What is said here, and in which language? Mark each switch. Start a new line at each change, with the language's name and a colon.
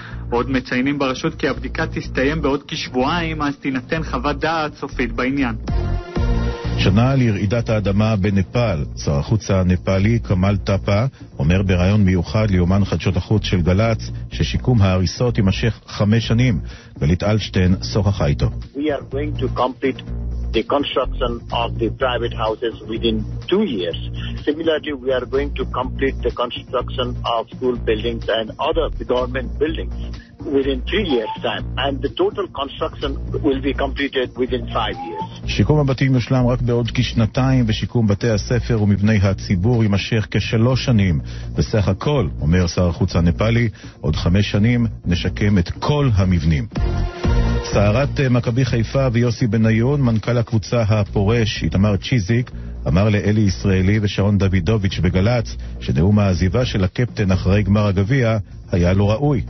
Hebrew: עוד מציינים ברשות כי הבדיקה תסתיים בעוד כשבועיים, אז תינתן חוות דעת סופית בעניין. שנה לרעידת האדמה בנפאל, שר החוץ הנפאלי קמל טאפה אומר ברעיון מיוחד ליומן חדשות החוץ של גלץ ששיקום ההריסות יימשך 5 שנים. גלית אלשטיין שוחחה איתו.
English: We are going to complete the construction of the private houses within 2 years. Similarly, we are going to complete the construction of school buildings and other government buildings within 3 years' time. And the total construction will be completed within 5 years.
Hebrew: שיקום הבתים יושלם רק בעוד כשנתיים, ושיקום בתי הספר ומבני הציבור יימשך 3 שנים. בסך הכל, אומר שר החוץ הנפאלי, עוד 5 שנים נשקם את כל המבנים. סערת מכבי חיפה ויוסי בניון, מנכ"ל הקבוצה הפורש, איתמר צ'יזיק, אמר לאלי ישראלי ושרון דוידוביץ' בגלץ שנאום העזיבה של הקפטן אחרי גמר הגביע היה לו ראוי.